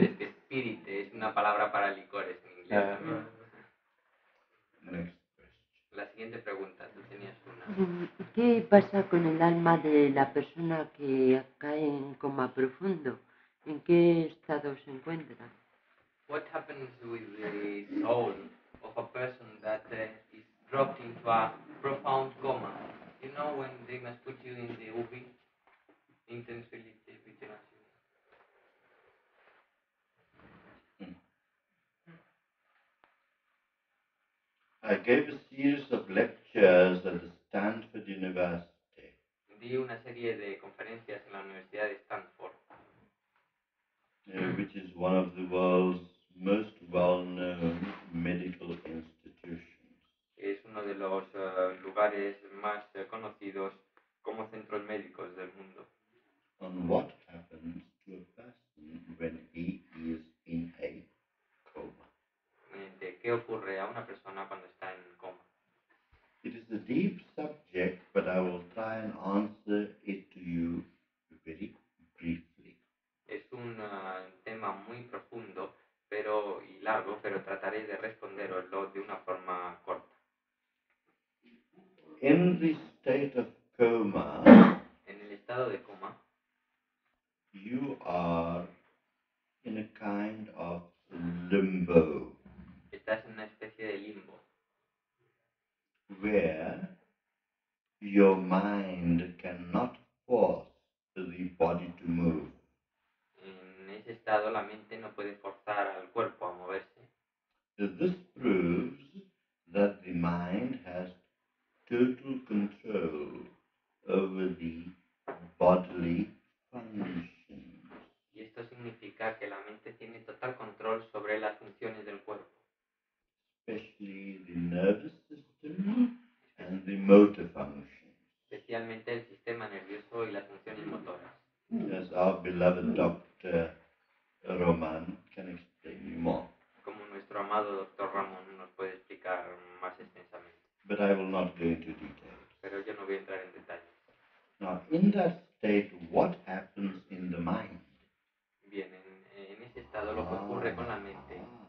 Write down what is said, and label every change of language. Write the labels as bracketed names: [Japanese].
[Spanish] Este spirit es una palabra para licores en inglés también. La siguiente pregunta, tú tenías una. ¿Qué pasa con el alma de la persona que cae en coma profundo? ¿En qué estado se encuentra? [English] What happens with the soul of a person that is dropped into a profound coma? You know when they must put you in the UV? Intensely vigilant. I gave a series of lectures at the Stanford University. [Spanish] Di una serie de conferencias en la Universidad de Stanford. [English] Which is one of the world's most well-known medical institutions. [Spanish] Es uno de los lugares más conocidos como centros médicos del mundo. [English] On what happens to a person when he is in a coma? [Spanish] ¿De qué ocurre a una persona cuando está en coma? [English] It is a deep subject, but I will try and answer it to you very briefly. [Spanish] Es un tema muy profundo pero, y largo, pero trataré de responderoslo de una forma corta. [English] In the state of coma, [Spanish] en el estado de coma, [English] you are in a kind of limbo. [Spanish] Estás en una especie de limbo. [English] Where your mind cannot force the body to move. [Spanish] En ese estado la mente no puede forzar al cuerpo a moverse. [English] This proves that the mind has total control over the bodily functions. [Spanish] Y esto significa que la mente tiene total control sobre las funciones del cuerpo. [English] Especially the nervous system and the motor functions. [Spanish] Especialmente el sistema nervioso y las funciones motoras. [English] As our beloved Dr. Roman can explain you more. [Spanish] Como nuestro amado Dr. Ramón nos puede explicar más extensamente. [English] But I will not go into details. [Spanish] Pero yo no voy a entrar en detalles. [English] Now, in that state, what happens in the mind? [Spanish] Bien, en ese estado lo que ocurre con la mente.